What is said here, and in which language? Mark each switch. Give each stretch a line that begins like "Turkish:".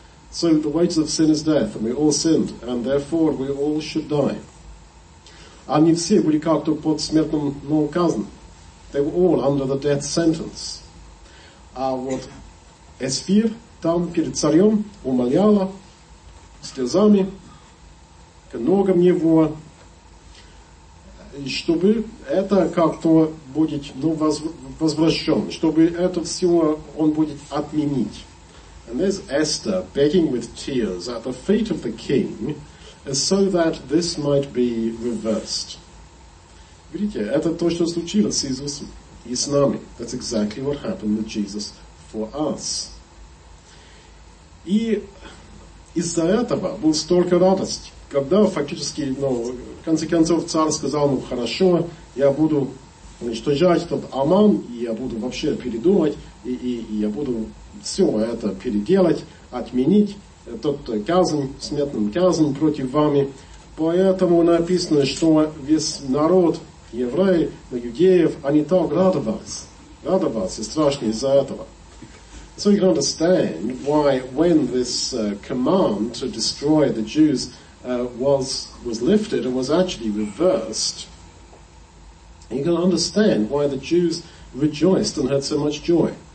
English: So the wages of sin is death, and we all sinned, and therefore we all should die.
Russian: Они все были как-то под смертным казнем.
English: They were all under the death sentence.
Russian: А вот Эсфир там перед царем умоляла слезами к ногам его, чтобы это как-то будет возвращен, чтобы это все он будет отменить.
English: And there's Esther begging with tears at the feet of the king so that this might be reversed.
Russian: Видите, это то, что случилось с Иисусом и с нами.
English: That's exactly what happened with Jesus for us.
Russian: И из-за этого был столько радости, когда фактически, ну, в конце концов, царь сказал, ну, хорошо, я буду уничтожать тот Аман, и я буду вообще передумать, и я буду все это переделать, отменить тот казнь, смертную казнь против вами. Поэтому написано, что весь народ евреи, иудеев, они так радовались и страшны из-за этого.
English: So you can understand why when this command to destroy the Jews was lifted and was actually reversed, you can understand why the Jews rejoiced and had so much joy.